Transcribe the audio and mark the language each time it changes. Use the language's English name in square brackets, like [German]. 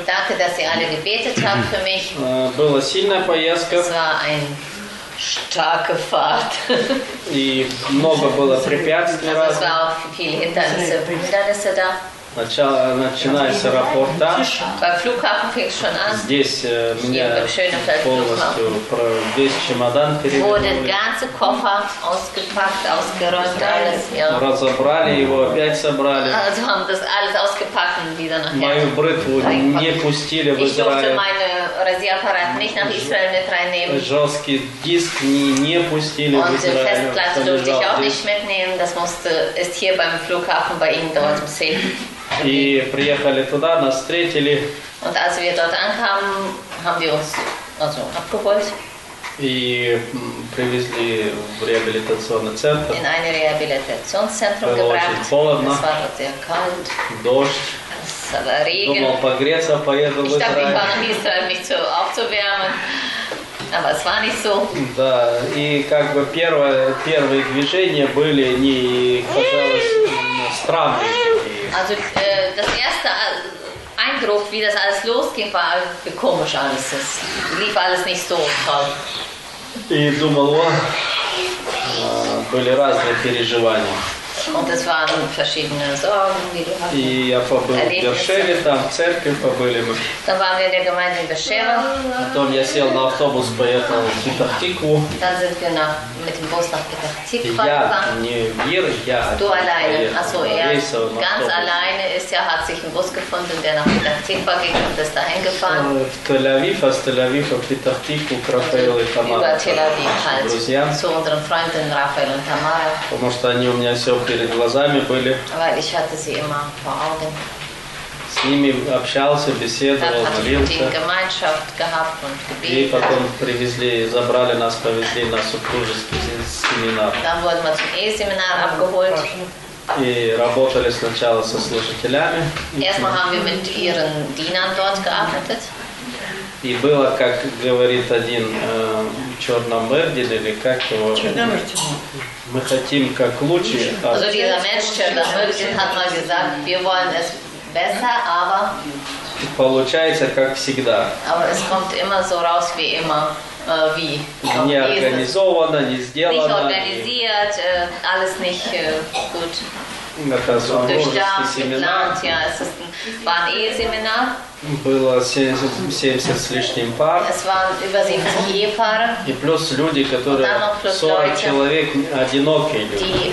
[German] Danke, dass ihr alle gebetet habt für mich. [Russian] Была сильная поездка. [German] Es war ein starke Fahrt. [Russian] И много было препятствий. [German] Also, es war auch viel Hindernisse da. [Russian] Начинается с аэропорта. [German] Beim Flughafen fing schon an. [Russian] Здесь меня полностью весь чемодан перевезли. [German] Wurde der ganze Koffer ausgepackt, ausgeräumt, alles. [Russian] Разобрали его, опять собрали. [German] Also haben das alles ausgepackt und wieder nachher. [Russian] Мою бритву не пустили в Израиль. [German] Ich durfte meinen Rasierapparat nicht nach Israel mit reinnehmen. [Russian] Жесткий диск не пустили в Израиль. [German] Und die Festplatte durfte ich auch nicht mitnehmen. Das musste ist hier beim Flughafen bei ihnen dort im Safe. [Russian] И приехали туда, нас встретили. [German] Und als wir dort ankamen, haben wir uns also abgeholt. [Russian] И привезли в реабилитационный центр. [German] In ein Rehabilitationszentrum gebracht. [Russian] Очень холодно. [German] Es war sehr kalt. [Russian] Дождь. [German] Es war Regen. [Russian] Думал, погреться, поеду в Израиль. [German] Ich dachte, ich war in Israel, mich zu aufzuwärmen. Aber es war nicht so. [Russian] Да, и как бы первые движения были не казалось странными. [German] Also das erste Eindruck, wie das alles losging, war wie komisch alles. Es lief alles nicht so toll. [Russian] И думал, были разные переживания. [German] Und es waren verschiedene Sorgen, die du hast. [Russian] И я побыл в Бершеве, там в церкви побыли мы. [German] Dann waren wir in der Gemeinde in Bershewa. [Russian] Потом я сел на автобус, поехал в Петахтику. [German] Dann sind wir mit dem Bus nach Petahtik gefahren. Du alleine. Also ganz alleine ist ja, hat sich ein Bus gefunden, der nach Petahtik ging und ist dahin gefahren. [Russian] В Тель Авив, aus Тель Авив в Петахтику к Рафаэлу и Тамаре. [German] Über Тель Авив halt. [Russian] Друзьям. [German] Zu unseren Freunden Rafael und Tamara. [Russian] Потому что они у меня все перед глазами были. [German] Weil ich hatte sie immer vor Augen. [Russian] С ними общался, беседовал, молился. И потом привезли, забрали нас, повезли на супружеский семинар. [German] Dann wurden wir zum E-Seminar abgeholt. [Russian] И работали сначала со служителями. [German] Erstmal haben wir mit ihren Dienern dort gearbeitet. [Russian] И было, как говорит один Черномырдин, или как его... Мы хотим как лучше. [German] Also dieser Mensch, Черномырдин, hat mal gesagt, wir wollen es besser, aber... [Russian] Получается, как всегда. [German] Aber es kommt immer so raus, wie immer. Wie? [Russian] Не организовано, не сделано. [German] Nicht organisiert, alles nicht gut. [Russian] Это звонкожеский семинар. Было 70 с лишним пар. [German] Es waren über 70 Ehepaare. [Russian] И плюс люди, которые 40 [German] Leute, [Russian] человек одинокие люди.